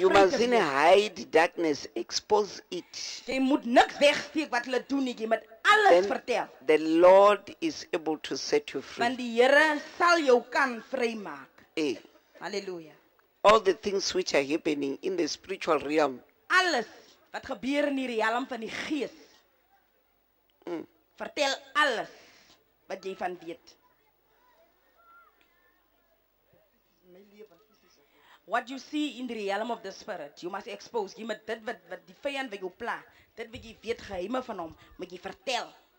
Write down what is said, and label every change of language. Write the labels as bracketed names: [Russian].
[Afrikaans] te wees. [English] You must in hide darkness, expose it. [Afrikaans] Jy moet niks wegsteek wat hulle doen nie, jy moet alles [English] then [Afrikaans] vertel. [English] The Lord is able to set you free. [Afrikaans] Want die Here sal jou kan vrymaak. Eh. Hallelujah. [English] All the things which are happening in the spiritual realm. [Afrikaans] Alles wat gebeur in die realm van die gees. Vertel alles wat jy van weet. [English] What you see in the realm of the spirit, you must expose. [Afrikaans] Jy moet dit wat die vyand wil jou pla, dit wat jy weet geheime van hom, moet jy vertel.